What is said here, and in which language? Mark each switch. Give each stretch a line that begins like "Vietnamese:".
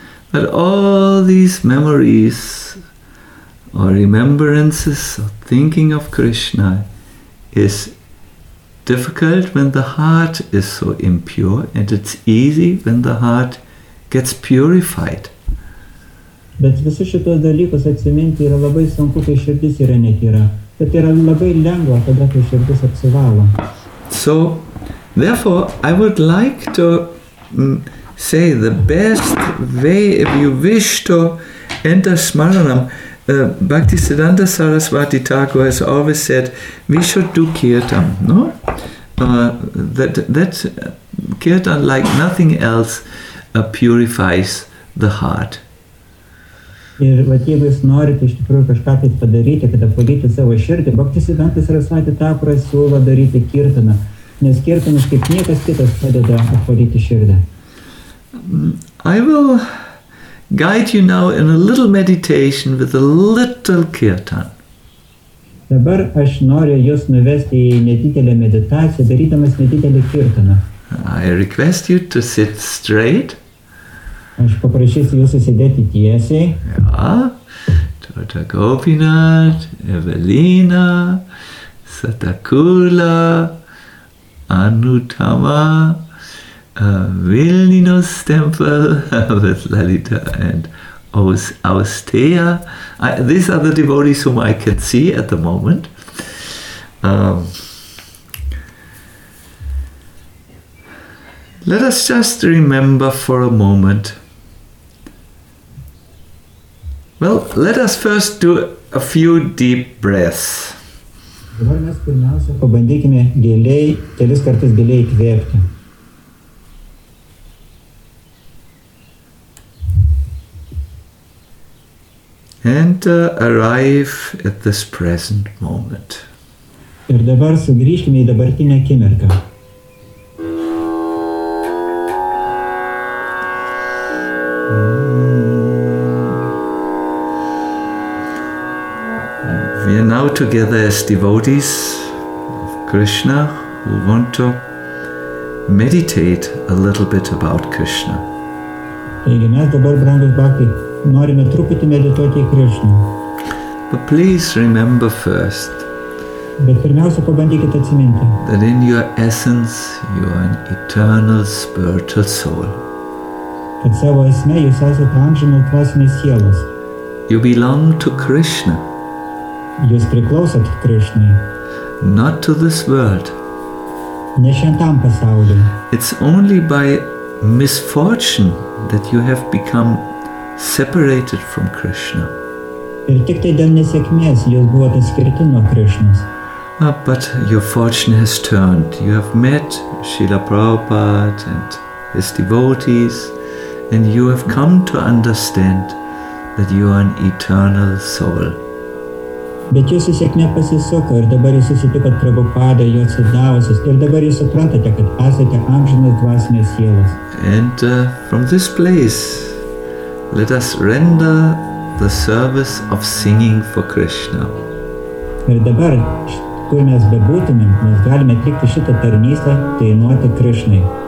English: But all these memories or remembrances or thinking of Krishna is difficult when the heart is so impure, and it's easy when the heart gets purified.
Lithuanian: Bet visus šitos dalykus atsiminti yra labai sunku, kai širdis yra netyra. Bet yra labai lengva, tada kai širdis apsivalo.
English: So, therefore, I would like to say the best way, if you wish to enter Smaranam, Bhaktisiddhanta Saraswati Thakur has always said, we should do kirtan, no? That kirtan, like nothing else, purifies the heart.
Lithuanian: Ir vat jeigu jūs norite iš tikrųjų kažką tai padaryti, kad apvalyti savo širdį, Bhaktisiddhanta Saraswati Thakur siūlo daryti kirtaną, nes kirtanas kaip niekas kitas padeda apvalyti širdį.
English: I will guide you now in a little meditation with a little kirtan.
Lithuanian: Dabar aš noriu jūs nuvesti į nedidelę meditaciją, darydamas nedidelį kirtaną.
English: I request you to sit straight.
Lithuanian: Aš paprašysiu jūs sėdėti tiesiai.
English: Ja. Tota Gopinath, Evelina, Satakula, Anutama, Vilninos temple with Lalita and Austeya. These are the devotees whom I can see at the moment. Let us just remember for a moment. Well, let us first do a few deep breaths.
Lithuanian: Dabar mes pirmiausia pabandykime giliai, kelis kartus giliai įkvėpti.
English: And arrive at this present moment.
Lithuanian: Ir dabar sugrįžkime į dabartinę akimirką.
English: We are now together as devotees of Krishna who want to meditate a little bit about Krishna.
Lithuanian: Taigi mes dabar, brangus Bhakti, norime truputį medituoti į Krishna.
English: But please remember first.
Lithuanian: Bet pirmiausia pabandykite atsiminti.
English: That in your essence you are an eternal spiritual soul.
Lithuanian: Kad savo esmė jūs esate amžinos dvasinės sielos.
English: You belong to Krishna.
Lithuanian: Jūs priklausot Krishnai.
English: Not to this world.
Lithuanian: Ne šiam pasauliui.
English: It's only by misfortune that you have become separated from Krishna.
Lithuanian: Ir tik tai dėl nesėkmės jūs buvote atskirti nuo Krishnos.
English: But your fortune has turned. You have met Srila Prabhupada and his devotees, and you have come to understand that you are an eternal soul.
Lithuanian: Bet jūsų sėkmė pasisuko ir dabar jūs susitikot Prabhupada, jo atsidavusius, ir dabar jūs suprantate, kad esate amžinas dvasinės sielas.
English: And from this place, let us render the service of singing for Krishna.
Lithuanian: Ir dabar, kur mes bebūtumėm, mes galime atlikti šitą tarnystę, dainuoti Krishnai.